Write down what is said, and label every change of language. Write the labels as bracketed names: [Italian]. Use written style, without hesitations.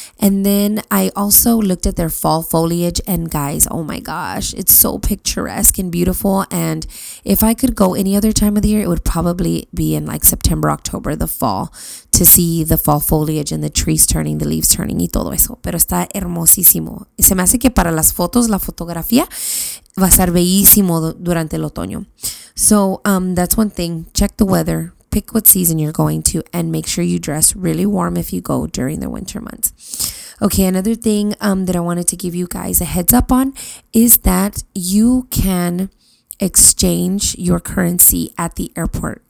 [English] And then I also looked at their fall foliage. And guys, oh my gosh, it's so picturesque and beautiful. And if I could go any other time of the year, it would probably be in like September, October, the fall, to see the fall foliage and the trees turning, the leaves turning, [Spanish] y todo eso. Pero está hermosísimo. Se me hace que para las fotos, la fotografía, va a estar bellísimo durante el otoño. [English] So that's one thing. Check the weather. Pick what season you're going to and make sure you dress really warm if you go during the winter months. Okay, another thing that I wanted to give you guys a heads up on is that you can exchange your currency at the airport.